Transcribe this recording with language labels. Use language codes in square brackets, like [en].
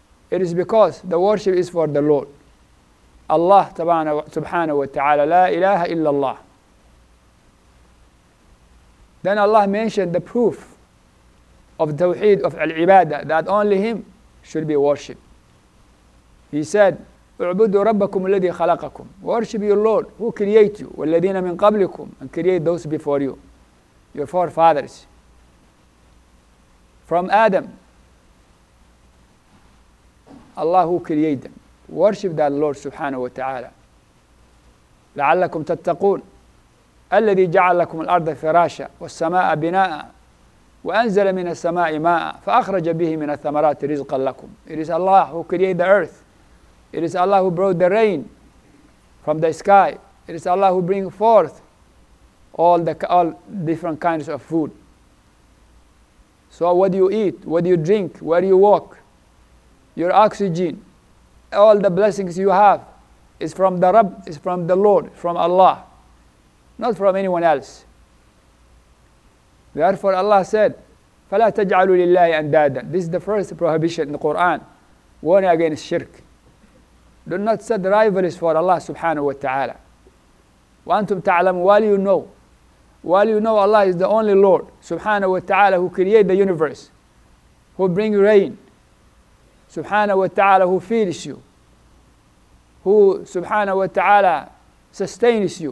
[en] It is because the worship is for the Lord. Allah subhanahu wa ta'ala, la ilaha illallah. Then Allah mentioned the proof of tawheed of al-ibadah, that only Him should be worshipped. He said, [ar] اعبدوا ربكم الذي خلقكم. [en] Worship your Lord who created you, [ar] والذين من قبلكم, [en] and create those before you, your forefathers. From Adam, Allah who created them. Worship that Lord subhanahu wa ta'ala. [ar] لعلكم تتقون. الذي جعل لكم الأرض فراشا والسماء بناء وأنزل من السماء ماء فأخرج به من الثمرات رزقا لكم. [en] It is Allah who created the earth. It is Allah who brought the rain from the sky. It is Allah who bring forth all different kinds of food. So what do you eat? What do you drink? Where do you walk? Your oxygen, all the blessings you have is from the Rabb, is from the Lord, from Allah. Not from anyone else. Therefore Allah said, [ar] فَلَا تَجْعَلُوا لِلَّهِ أَنْدَادًا. [en] This is the first prohibition in the Quran, warning against shirk. Do not set rivalries for Allah subhanahu wa ta'ala. [ar] وَأَنْتُمْ تَعْلَمُ [en] while you know. While you know Allah is the only Lord subhanahu wa ta'ala who created the universe, who brings rain, subhanahu wa ta'ala who feeds you, who subhanahu wa ta'ala sustains you.